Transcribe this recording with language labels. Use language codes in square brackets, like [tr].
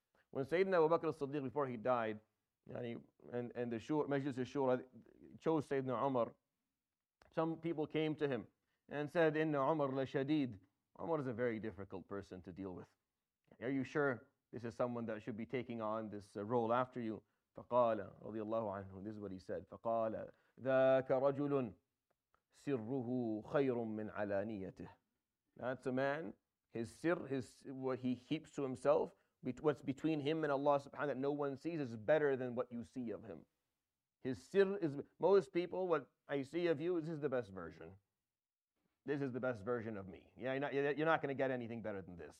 [en] When Sayyidina Abu Bakr as-Siddiq, before he died, and the shura, Majlis al-Shura, chose Sayyidina Umar, some people came to him and said, [ar] "Inna Umar la-Shadid." [en] Umar is a very difficult person to deal with. "Are you sure this is someone that should be taking on this role after you?" [ar] فَقَالَ رَضِيَ اللَّهُ عَنْهُ, [en] this is what he said, [ar] فَقَالَ ذَاكَ رَجُلٌ سِرُّهُ خَيْرٌ مِّنْ عَلَانِيَتِهِ. [en] That's a man, his sir, what he keeps to himself, what's between him and Allah subhanahu wa ta'ala that no one sees, is better than what you see of him. His sir is, most people, what I see of you, this is the best version. This is the best version of me. Yeah, you're not going to get anything better than this.